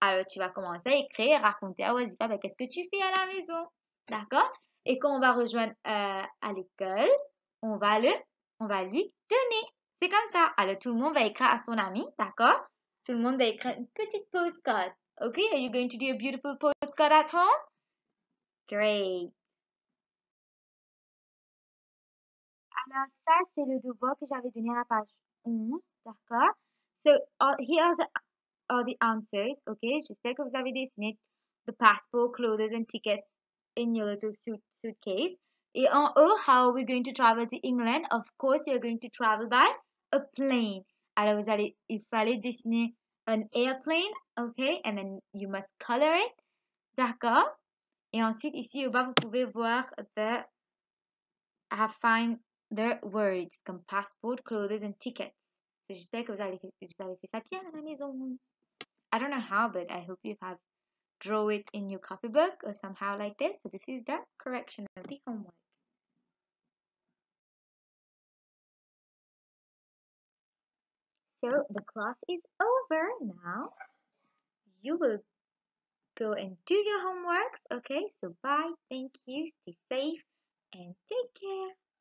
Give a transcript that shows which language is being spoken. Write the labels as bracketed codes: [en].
[fr] Alors, tu vas commencer à écrire et raconter à Wazifa ben, qu'est-ce que tu fais à la maison. D'accord? Et quand on va rejoindre à l'école, on va lui donner. C'est comme ça. Alors, tout le monde va écrire à son ami, d'accord? Tout le monde va écrire une petite postcard. OK? [en] Are you going to do a beautiful postcard at home? Great. [fr] Alors, ça, c'est le devoir que j'avais donné à la page 11, d'accord? [en] So, here are the answers, ok? [fr] Je sais que vous avez dessiné [en] the passport, clothes and tickets in your little suitcase. [fr] Et en haut, [en] how are we going to travel to England? Of course, you're going to travel by a plane. [fr] Alors, il fallait dessiner an airplane, ok? [en] And then you must color it, [fr] d'accord? Et ensuite, ici au bas, vous pouvez voir the affine. [en] The words comme passport, clothes and tickets. [fr] So, j'espère que vous avez fait ça bien à la maison. [en] I don't know how, but I hope you have draw it in your copybook or somehow like this. So, this is the correction of the homework. So, the class is over now. You will go and do your homeworks. Okay, so bye. Thank you. Stay safe and take care.